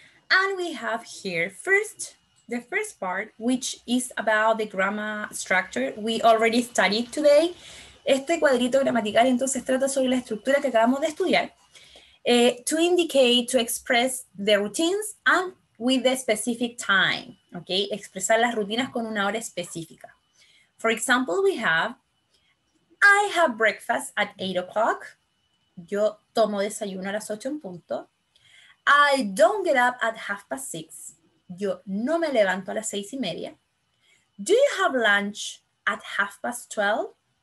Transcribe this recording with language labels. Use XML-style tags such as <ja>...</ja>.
<en>And we have here first, the first part, which is about the grammar structure we already studied today.</en> <es>Este cuadrito gramatical entonces trata sobre la estructura que acabamos de estudiar.</es> <en>To indicate, to express the routines and with a specific time.</en> <es>Okay, expresar las rutinas con una hora específica.</es> <en>For example, we have, I have breakfast at 8 o'clock.</en> <es>Yo tomo desayuno a las 8 en punto.</es> <en>I don't get up at 6:30.</en> <es>Yo no me levanto a las 6:30.</es> <en>Do you have lunch at 12:30?</en>